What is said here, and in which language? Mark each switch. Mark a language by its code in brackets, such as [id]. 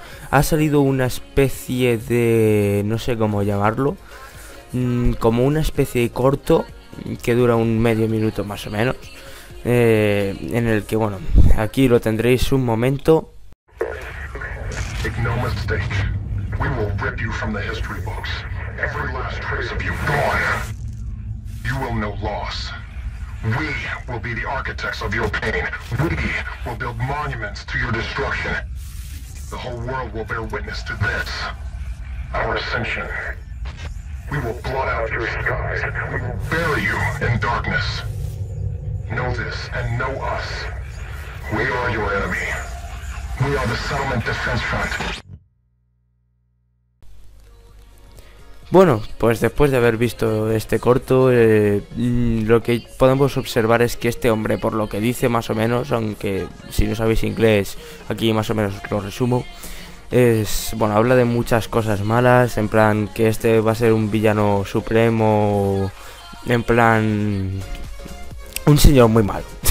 [es] Ha salido una especie de, no sé cómo llamarlo, como una especie de corto que dura un medio minuto más o menos. En el que, bueno, aquí lo tendréis un momento. [en] No mistake. We will rip you from the history books. Every last trace of you gone. You will know loss. We will be the architects of your pain. We will build monuments to your destruction. The whole world will bear witness to this. Our ascension. We will blot out your skies. We will bury you in darkness. Know this and know us. We are your enemy. We are the Settlement Defense Front. [es] Bueno, pues después de haber visto este corto, lo que podemos observar es que este hombre, por lo que dice más o menos, aunque si no sabéis inglés, aquí más o menos lo resumo, es, bueno, habla de muchas cosas malas, en plan que este va a ser un villano supremo, en plan un señor muy malo.